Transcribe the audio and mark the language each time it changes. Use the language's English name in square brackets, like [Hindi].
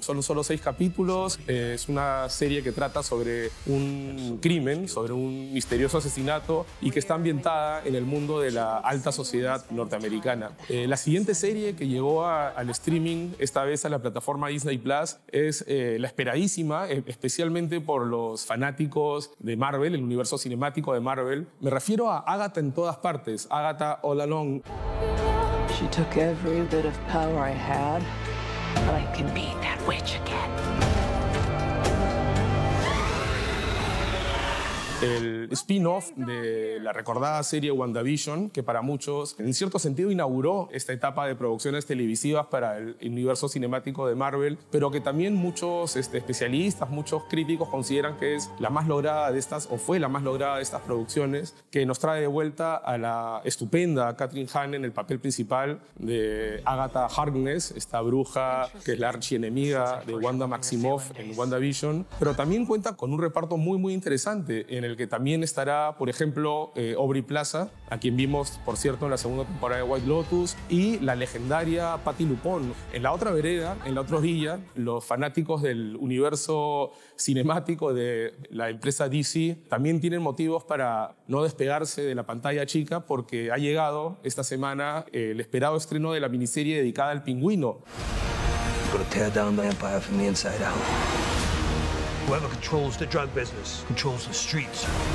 [Spanish] Son solo 6 capítulos. Es una serie que trata sobre un crimen, sobre un misterioso asesinato, y que está ambientada en el mundo de la alta sociedad norteamericana. La siguiente serie que llegó al streaming, esta vez a la plataforma Disney Plus, es la esperadísima, especialmente por los fanáticos de Marvel, el universo cinemático de Marvel. Me refiero a Agatha en todas partes, Agatha All Along. [English] She took every bit of power I had, but I can beat that witch again. [Spanish] El spin-off de la recordada serie WandaVision, que para muchos, en cierto sentido, inauguró esta etapa de producciones televisivas para el universo cinemático de Marvel, pero que también muchos especialistas, muchos críticos consideran que es la más lograda de estas, o fue la más lograda de estas producciones, que nos trae de vuelta a la estupenda Catherine Hahn en el papel principal de Agatha Harkness, esta bruja que es la archienemiga de Wanda Maximoff en WandaVision, pero también cuenta con un reparto muy, muy interesante en el que también estará, por ejemplo, Aubrey Plaza, a quien vimos, por cierto, en la segunda temporada de White Lotus, y la legendaria Patti LuPone. En la otra vereda, en la otra orilla, los fanáticos del universo cinemático de la empresa DC también tienen motivos para no despegarse de la pantalla chica, porque ha llegado esta semana el esperado estreno de la miniserie dedicada al Pingüino. [English] gonna tear down the empire from the inside out. Whoever controls the drug business controls the streets.